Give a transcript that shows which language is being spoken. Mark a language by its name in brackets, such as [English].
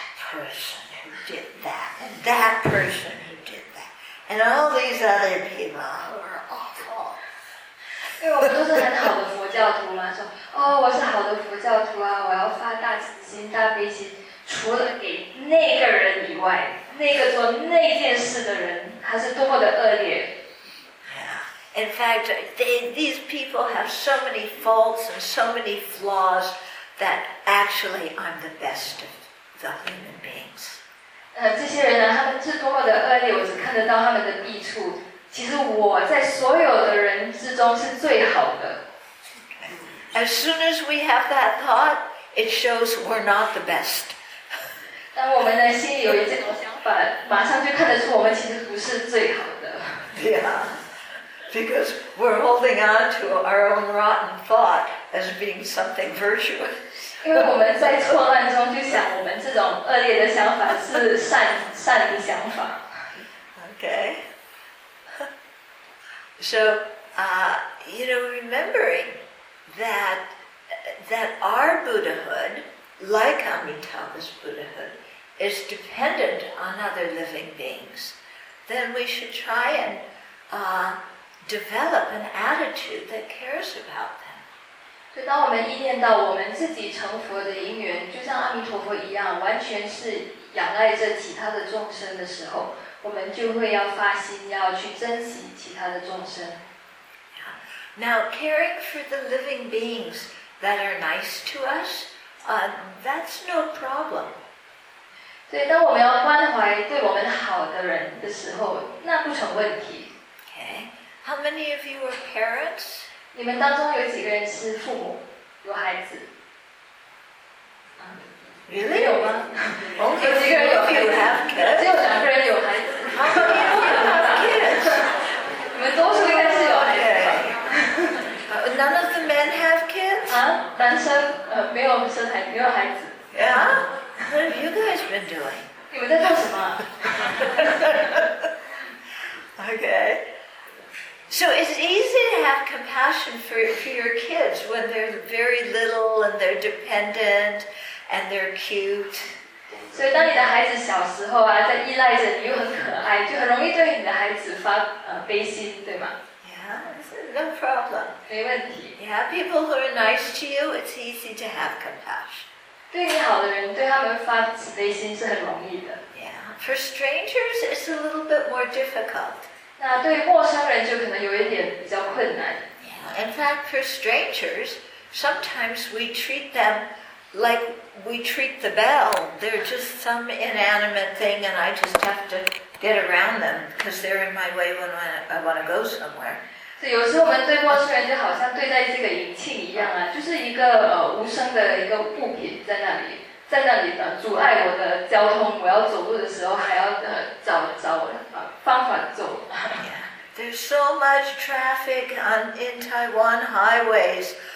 [English] person who did that, and that person who did that, and all these other people who are awful. [Chinese] 因为我们都是很好的佛教徒嘛，说哦，我是好的佛教徒啊，我要发大慈心、大悲心，除了给那个人以外，那个做那件事的人，他是多么的恶劣。 [English] In fact, these people have so many faults and so many flaws that actually I'm the best of the human beings. [Chinese] 这些人呢，他们是多么的恶劣，我只看得到他们的弊处。其实我在所有的人之中是最好的。 [English] As soon as we have that thought, it shows we're not the best. [Chinese] 当我们呢心里有这种想法，马上就看得出我们其实不是最好的。 [English] Yeah. Because we're holding on to our own rotten thought as being something virtuous. [Chinese] 因为我们在错乱中就想我们这种恶劣的想法是善的想法。 [English] Okay. So, you know, remembering that our Buddhahood, like Amitabha's Buddhahood, is dependent on other living beings, then we should try and develop an attitude that cares about them. [Chinese] 对，当我们意念到我们自己成佛的因缘，就像阿弥陀佛一样，完全是仰赖着其他的众生的时候，我们就会要发心要去珍惜其他的众生。 [English] Now, caring for the living beings that are nice to us, that's no problem. [Chinese] 对，当我们要关怀对我们好的人的时候，那不成问题。 [English] How many of you are parents? [Chinese] 你们当中有几个人是父母，有孩子？ [English] Really? [Chinese] 有吗？有几个人有孩子？ [English] Only a few have kids. [Chinese] 只有两个人有孩子。 [English] How many of you have kids? [Chinese] 你们多数应该是有孩子吧。 [English] Okay. None of the men have kids? [Chinese] 啊，男生没有生孩子，没有孩子。 [English] Yeah? What have you guys been doing? [Chinese] 你们在做什么？ [English] Okay. So it's easy to have compassion for your kids when they're very little and they're dependent and they're cute. [Chinese] 所以当你的孩子小时候啊，在依赖着你又很可爱，就很容易对你的孩子发悲心，对吗？ [English] Yeah, no problem. [Chinese] 没问题。 [English] Yeah, people who are nice to you, it's easy to have compassion. [Chinese] 对你好的人，对他们发慈悲心是很容易的。 [English] Yeah, for strangers, it's a little bit more difficult. [Chinese] 那对陌生人就可能有一点比较困难。 [English] Yeah. In fact, for strangers, sometimes we treat them like we treat the bell. They're just some inanimate thing, and I just have to get around them because they're in my way when I want to go somewhere. [Chinese] 对，有时候我们对陌生人就好像对待这个银器一样啊，就是一个无声的一个物品在那里阻碍我的交通。我要走路的时候还要找方法走。 [English] There's so much traffic in Taiwan highways.